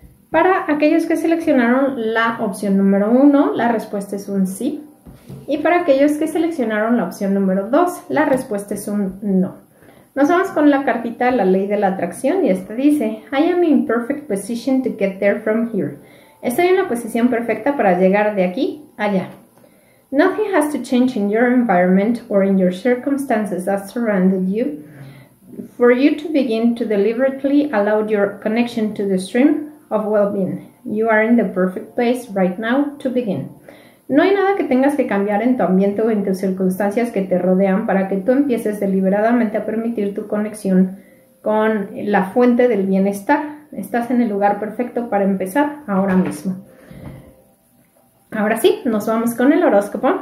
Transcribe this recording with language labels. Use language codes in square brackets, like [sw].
[es] Para aquellos que seleccionaron la opción número 1, la respuesta es un sí. Y para aquellos que seleccionaron la opción número 2, la respuesta es un no. Nos vamos con la cartita de la ley de la atracción y esta dice: [en] I am in perfect position to get there from here. [es] Estoy en la posición perfecta para llegar de aquí allá. [en] Nothing has to change in your environment or in your circumstances that surrounded you for you to begin to deliberately allow your connection to the stream of well-being. You are in the perfect place right now to begin. [es] No hay nada que tengas que cambiar en tu ambiente o en tus circunstancias que te rodean para que tú empieces deliberadamente a permitir tu conexión con la fuente del bienestar. Estás en el lugar perfecto para empezar ahora mismo. Ahora sí, nos vamos con el horóscopo.